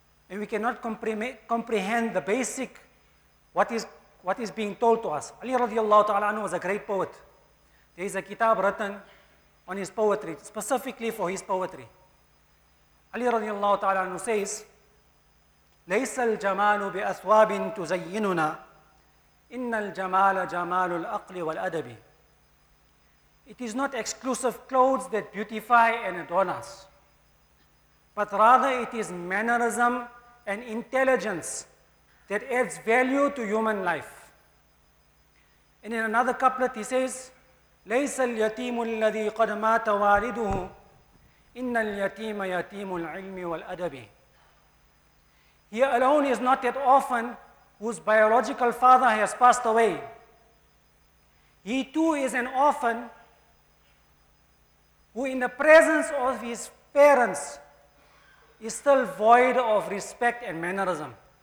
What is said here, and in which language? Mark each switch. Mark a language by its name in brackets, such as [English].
[English] And we cannot comprehend the basic, what is being told to us. Ali radiallahu ta'ala anhu was a great poet. There is a kitab written on his poetry, specifically for his poetry. [Arabic] Ali radiallahu ta'ala anhu [English] says, [Arabic] ليس الجمال بأثواب تزيننا إن الجمال جمال الأقل والأدب. [English] It is not exclusive clothes that beautify and adorn us, but rather it is mannerism and intelligence that adds value to human life. And in another couplet, he says, [Arabic] ليس اليتيم الذي قد مات والده إن اليتيم يتيم العلم والأدب. [English] He alone is not that orphan whose biological father has passed away. He too is an orphan who in the presence of his parents is still void of respect and mannerism.